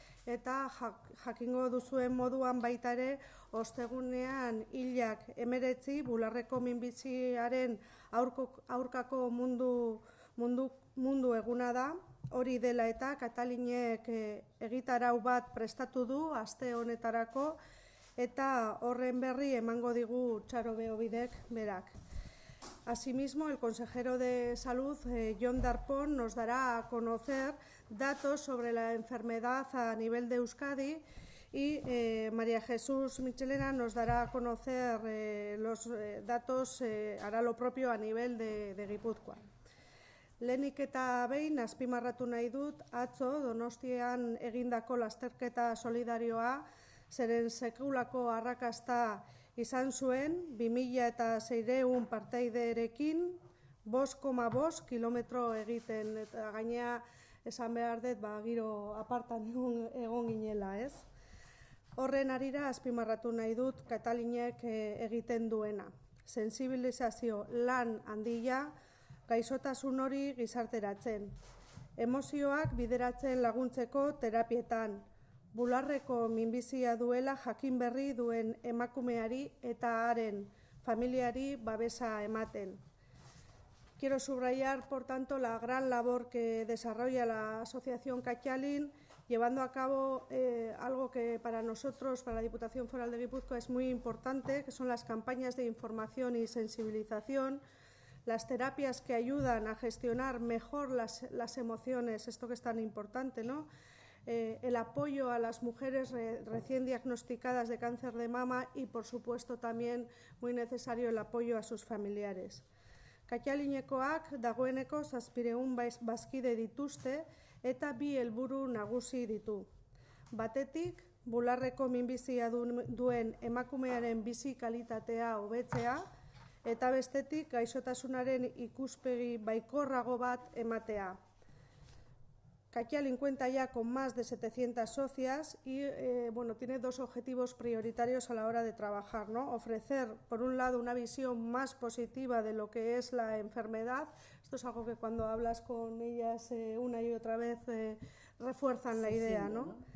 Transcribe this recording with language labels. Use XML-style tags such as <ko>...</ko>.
<eu>eta jakingo duzuen moduan baitare, ostegunean hilak 19 Bularreko minbiziaren aurkako mundu eguna da, hori dela eta Kataliniek egitarau bat prestatu du aste honetarako, eta horren berri emango digu Txaro Beobidek berak.</eu> <es>Asimismo, el consejero de Salud, Jon Darpón, nos dará a conocer datos sobre la enfermedad a nivel de Euskadi y María Jesús Michelena nos dará a conocer los datos, hará lo propio a nivel de Gipuzkoa.</es> <eu>Lehenik eta behin, azpimarratu nahi dut, atzo Donostian egindako lasterketa solidarioa zeren sekulako arrakasta izan zuen, 2600 partaiderekin, 5,5 kilometro egiten, eta gainea esan behar dut, ba, giro apartan egon ginela, ez? Horren arira, azpimarratu nahi dut, Kataliniek egiten duena. Sensibilizazio lan handia, gaixotasun hori gizarteratzen. Emozioak bideratzen laguntzeko terapietan, Bularreko minbizia duela jakin berri duen emakumeari eta haren familiari babesa ematen.</eu> <es>Quiero subrayar, por tanto, la gran labor que desarrolla la Asociación Kaialin, llevando a cabo algo que para nosotros, para la Diputación Foral de Gipuzkoa, es muy importante, que son las campañas de información y sensibilización, las terapias que ayudan a gestionar mejor las emociones, esto que es tan importante, ¿no? El apoyo a las mujeres recién diagnosticadas de cáncer de mama y, por supuesto, también muy necesario el apoyo a sus familiares.</es> <eu>Kaialinekoak dagoeneko 700 bazkide dituzte eta bi helburu nagusi ditu. Batetik, Bularreko minbizia duen emakumearen bizi kalitatea hobetzea eta bestetik gaixotasunaren ikuspegi baikorrago bat ematea.</eu> <es>Kaialin cuenta ya con más de 700 socias y bueno, tiene dos objetivos prioritarios a la hora de trabajar, ¿no? Ofrecer, por un lado, una visión más positiva de lo que es la enfermedad. Esto es algo que cuando hablas con ellas una y otra vez refuerzan la idea, ¿no?</es>